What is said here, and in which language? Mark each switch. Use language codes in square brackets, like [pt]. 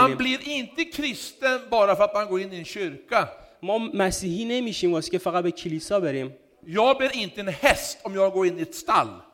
[sv] من blir inte kristen bara för att man går in i en kyrka. [fa] ما مسیحی نمیشیم واسه که فقط به کلیسا بریم. [sv] Jag blir inte en häst om jag går in i ett stall.